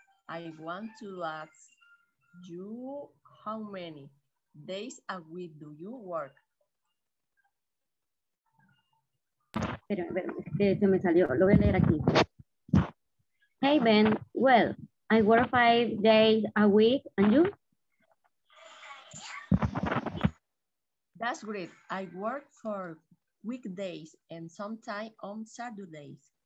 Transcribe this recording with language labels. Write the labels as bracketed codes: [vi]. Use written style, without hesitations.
[en] I want to ask you, how many days a week do you work? [es] Pero se me salió, lo voy a leer aquí. [en] Hey Ben, well, I work 5 days a week, and you? That's great. I work for weekdays and sometimes on Saturdays.